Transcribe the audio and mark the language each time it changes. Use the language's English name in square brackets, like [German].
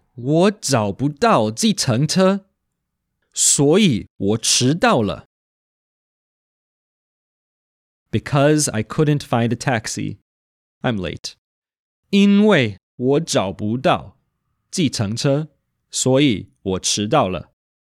[Chinese] 因为我找不到计程车, 所以我迟到了。 [English] Because I couldn't find a taxi, I'm late. [Chinese] 因为我找不到计程车, 所以我迟到了。